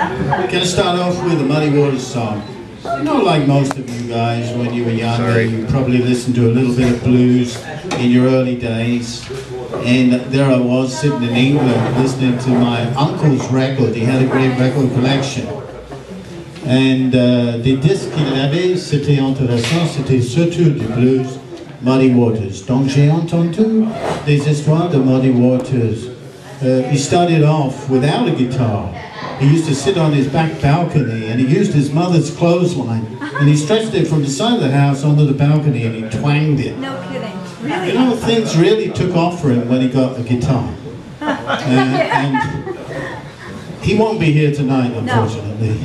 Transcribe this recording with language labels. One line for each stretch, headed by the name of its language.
English: We're going to start off with a Muddy Waters song. You know, like most of you guys, when you were younger, you probably listened to a little bit of blues in your early days. And there I was sitting in England listening to my uncle's record. He had a great record collection. And the disc
French: qu'il avait, c'était intéressant, c'était surtout du blues, Muddy Waters. Donc j'ai entendu des histoires de Muddy Waters.
English: He started off without a guitar. He used to sit on his back balcony and he used his mother's clothesline. And he stretched it from the side of the house onto the balcony and he twanged it. No kidding, really? You know, things really took off for him when he got a guitar. And he won't be here tonight, unfortunately.